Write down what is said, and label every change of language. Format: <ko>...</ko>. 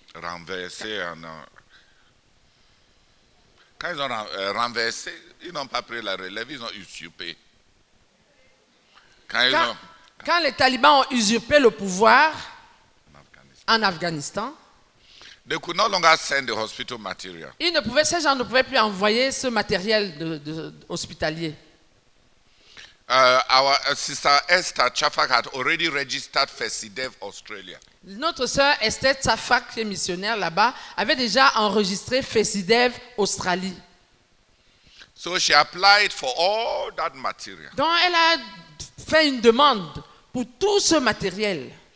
<fr>Renversé en. Quand ils ont renversé, ils n'ont pas pris la relève, ils ont usurpé. Quand les talibans ont usurpé le pouvoir en Afghanistan,</fr> <en>they could no longer send the hospital material.</en> <fr>Ces gens ne pouvaient plus envoyer ce matériel de hospitalier.</fr> <en>Our sister Esther Chafak had already registered for CIDEV Australia.</en> <fr>Notre sœur Esther Chafak, qui est missionnaire là-bas, avait déjà enregistré FESIDEV Australie.</fr> <en>So she applied for all that material.</en> <fr>Donc elle a fait une demande pour tout ce matériel.</fr>